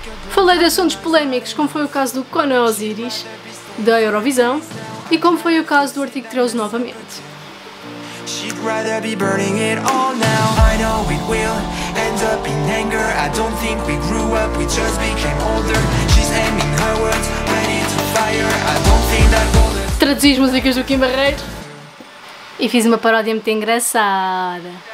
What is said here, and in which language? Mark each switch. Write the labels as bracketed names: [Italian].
[Portuguese] Falei de assuntos polémicos, como foi o caso do Conan Osiris, da Eurovisão, e como foi o caso do artigo 13 novamente. [English] She'd rather be burning it all now. I know we will end up in anger. I don't think we grew up, we just became older. She's aiming her words, ready to fire. I don't think that bullet. [Portuguese] Traduzi as músicas do Kim Barreiro e fiz uma paródia muito engraçada.